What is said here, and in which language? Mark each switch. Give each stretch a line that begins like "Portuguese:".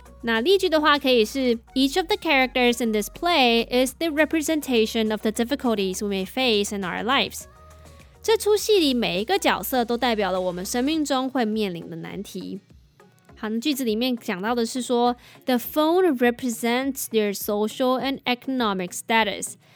Chinese: 那例句的话可以是
English: Each of the characters in this play is the representation of the difficulties we may face in our lives.
Chinese: 这出戏里每一个角色都代表了我们生命中会面临的难题。好，那句子里面讲到的是说
English: The phone represents their social and economic status.